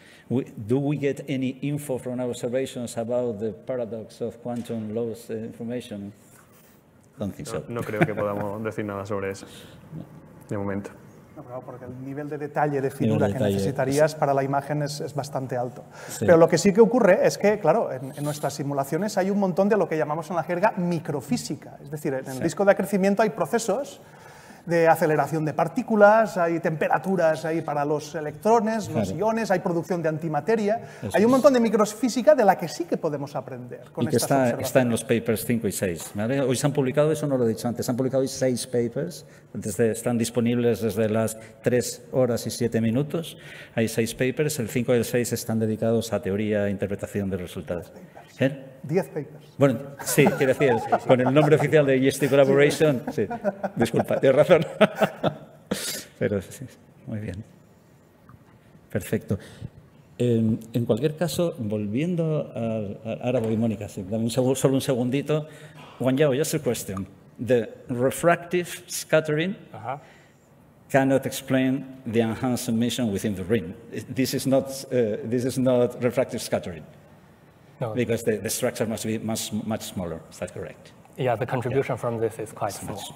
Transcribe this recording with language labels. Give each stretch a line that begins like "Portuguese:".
English: Do we get any info from our observations about the paradox of quantum loss information? Don't think no, so.
Spanish: No creo que podamos decir nada sobre eso, no. De momento. No, porque el nivel de detalle de finura que necesitarías para la imagen es bastante alto. Sí. Pero lo que sí que ocurre es que, claro, en nuestras simulaciones hay un montón de lo que llamamos en la jerga microfísica. Es decir, en el disco de acrecimiento hay procesos de aceleración de partículas, hay temperaturas ahí para los electrones, los iones, hay producción de antimateria. Eso hay un montón de microfísica de la que sí que podemos aprender con estas observaciones. Y que está en los papers 5 y 6. ¿Vale? Hoy se han publicado, eso no lo he dicho antes, se han publicado hoy 6 papers, están disponibles desde las 3 horas y 7 minutos. Hay 6 papers, el 5 y el 6 están dedicados a teoría e interpretación de resultados. 10 papers. Bueno, sí, quiero decir, con el nombre oficial de EST Collaboration. Sí. Disculpa, tienes razón. Pero sí, muy bien. Perfecto. En cualquier caso, volviendo a. Ahora voy, Mónica, sí, dame solo un segundito.
English: Juan Yao, just a question. The refractive scattering cannot explain the enhanced emission within the ring. This is not refractive scattering. No. Because the structure must be much, much smaller. Is that correct? Yeah, the contribution from this is quite small.